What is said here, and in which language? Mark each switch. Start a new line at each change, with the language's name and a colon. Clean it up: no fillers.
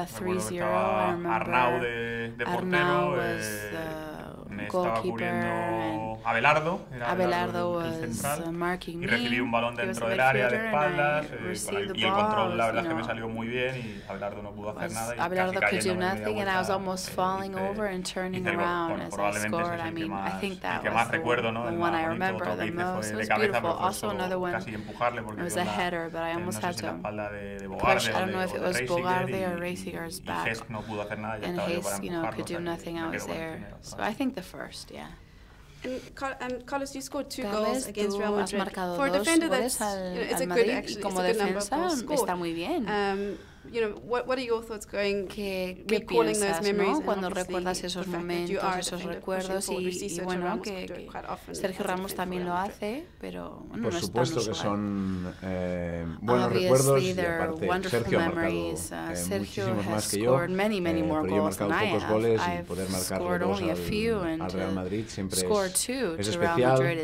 Spanish: 3-0. Arnau de portero,
English: Arnau was the
Spanish: me estaba cubriendo Abelardo, era Abelardo el central, y recibí un balón dentro del área de espaldas, y el control la verdad es que me salió muy bien y Abelardo no pudo hacer nada y Abelardo casi cayendo
English: nothing,
Spanish: me
English: and I was almost falling over and turning around as I scored. I mean, I think that was the one I remember the most. It was beautiful. Also another one. It was a header, but I almost had to push. I don't know if it was Bogarde or Reisinger's back. And Hayes, you know, could do nothing. I was there. So I think the first, yeah. And Carlos, you scored two goals against Real Madrid. For a defender, that's it's a good, actually, it's a good number of goals. You know, what are your thoughts going, recalling those memories?
Spanish: Cuando recuerdas esos momentos, esos recuerdos, y bueno, que Sergio Ramos también lo hace, pero no por supuesto que son buenos recuerdos, y aparte Sergio ha marcado muchísimos más que yo, pero yo he marcado pocos goles, y poder marcar dos al Real Madrid siempre es especial.